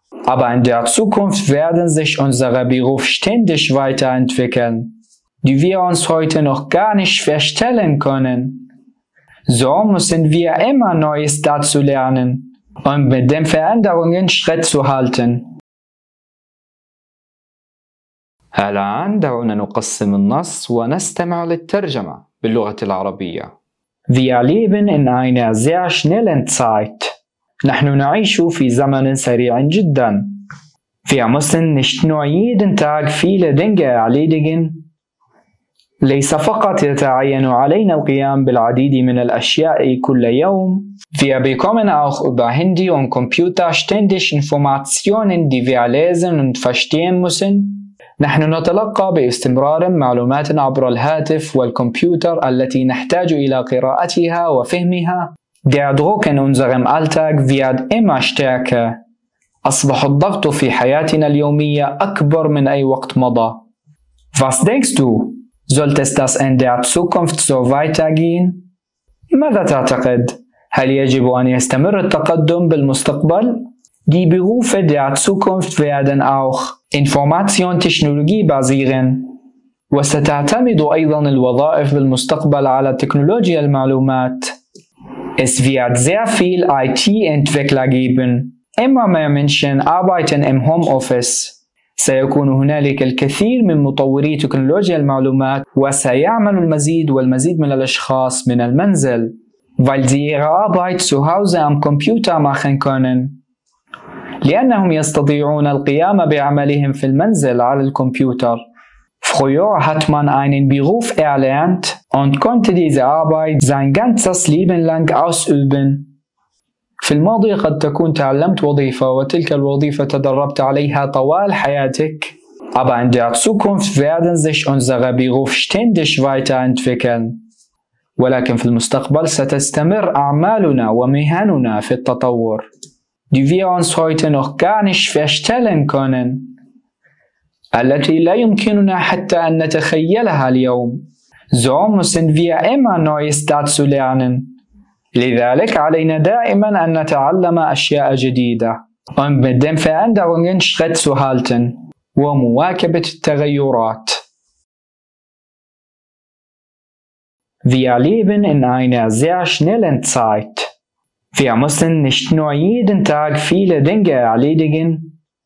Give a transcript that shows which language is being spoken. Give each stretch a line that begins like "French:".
German: Aber in der Zukunft werden sich unsere Berufe ständig weiterentwickeln, die wir uns heute noch gar nicht vorstellen können. So müssen wir immer Neues dazu lernen und mit den Veränderungen Schritt zu halten.
Arabic: الآن دعونا نقسم النص ونستمع للترجمة باللغة العربية.
German: Wir leben in einer sehr schnellen Zeit.
Arabic: نحن نعيش في زمن سريع جدا.
German: Wir müssen nicht nur jeden Tag viele Dinge erledigen.
Arabic: ليس فقط يتعين علينا القيام بالعديد من الأشياء كل يوم.
German: Wir bekommen auch über Handy und Computer ständig Informationen, die wir lesen und verstehen müssen.
Arabic: نحن نتلقى باستمرار معلومات عبر الهاتف والكمبيوتر التي نحتاج إلى قراءتها وفهمها.
German: Der Druck in unserem Alltag wird immer stärker.
Arabic: أصبح الضغط في حياتنا اليومية أكبر من أي وقت مضى.
German: Was denkst du? Sollte es das in der Zukunft so weitergehen?
Arabic: ماذا تعتقد؟ هل يجب أن يستمر التقدم بالمستقبل؟
German: Die Berufe der Zukunft werden auch Informationstechnologie basieren.
Arabic: وستعتمد أيضا الوظائف بالمستقبل على تكنولوجيا المعلومات.
German: Es wird sehr viel IT-Entwickler geben. Immer mehr Menschen arbeiten im Homeoffice.
Arabic: سيكون هنالك الكثير من مطوري تكنولوجيا المعلومات وسيعمل المزيد والمزيد من الأشخاص من المنزل.
German: Weil sie ihre Arbeit zu Hause am Computer machen können.
Arabic: لأنهم يستطيعون القيام بعملهم في المنزل على الكمبيوتر.
German: Früher hat man einen Beruf erlernt und konnte diese Arbeit sein ganzes Leben lang ausüben.
Arabic: في الماضي قد تكون تعلمت وظيفة وتلك الوظيفة تدربت عليها طوال حياتك.
German: Aber in der Zukunft werden sich unsere Berufe ständig weiterentwickeln.
Arabic: ولكن في المستقبل ستستمر أعمالنا ومهننا في التطور.
German: Die wir uns heute noch gar nicht vorstellen können.
Arabic: التي لا يمكننا حتى أن نتخيلها اليوم.
German: So müssen wir immer Neues dazu lernen.
Arabic: لذلك علينا دائما أن نتعلم أشياء جديدة.
German: Und mit den Veränderungen Schritt zu halten.
Arabic: ومواكبة التغيرات.
German: Wir leben in einer sehr schnellen Zeit. Wir müssen nicht nur jeden Tag viele Dinge erledigen.